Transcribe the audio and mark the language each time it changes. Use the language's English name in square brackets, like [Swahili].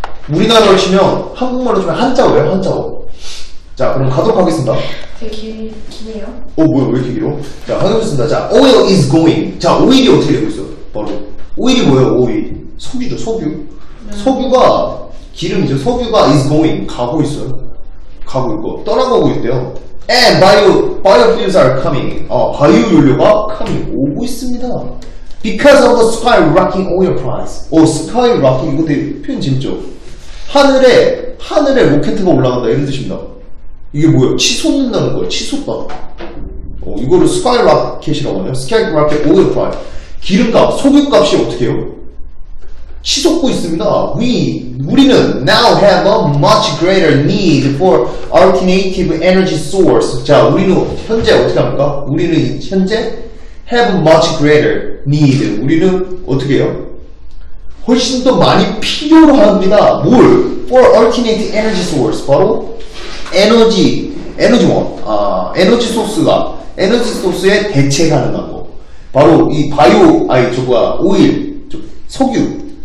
[Korean] 우리나라로 치면, 한국말로 치면 한자어예요, 한자어. 자, 그럼 가도록 하겠습니다. 되게 길네요. 어, 뭐야, 왜 이렇게 길어? 자, 하겠습니다. 자, [English] oil is going. [Korean] 자, 오일이 어떻게 되고 있어요? 바로. 오일이 뭐예요, 오일? 석유죠, 석유. 석유가, 기름이죠, 석유가 [English] is going. [Korean] 가고 있어요. 가고 있고, 떠나가고 있대요. [English] And biofuels are coming. [Korean] 어, 바이오 연료가 coming. 오고 있습니다. [English] Because of the skyrocketing oil price. [Korean] 오, skyrocketing. 이거 되게 표현 재밌죠? 하늘에 로켓트가 올라간다. 이런 뜻입니다. 이게 뭐예요? 치솟는다는 거예요. 치솟다. 어, 이거를 skyrocket이라고 하네요. [English] skyrocket oil price. [Korean] 기름값, 석유값이 어떻게 해요? 치솟고 있습니다. 우리는 [English] now have a much greater need for alternative energy source. [Korean] 자, 우리는 현재 어떻게 합니까? 우리는 현재 [English] have a much greater need. [Korean] 우리는 어떻게 해요? 훨씬 더 많이 필요로 합니다. [English] 뭘? For alternative energy source. [Korean] 바로 에너지원. 아, 에너지 소스의 대체 가능한 거. 바로 이 바이오, 아니, 저거야, 오일, 저, 석유.